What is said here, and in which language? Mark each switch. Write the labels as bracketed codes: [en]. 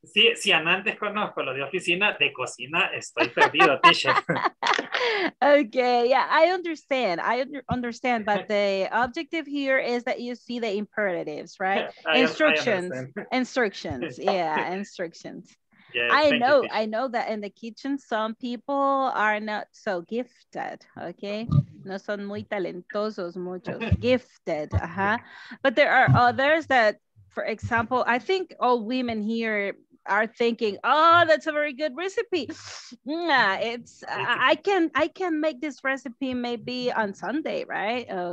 [es] Si antes conozco lo de oficina, de cocina estoy perdido, teacher. [en] Okay, yeah, I understand, but the objective here is that you see the imperatives, right? Instructions, yeah, instructions. I know that in the kitchen some people are not so gifted, okay? [es] No son muy talentosos muchos, gifted, uh-huh. [en] But there are others that, for example, I think all women here are thinking, oh, that's a very good recipe. Yeah, it's I can make this recipe maybe on Sunday, right?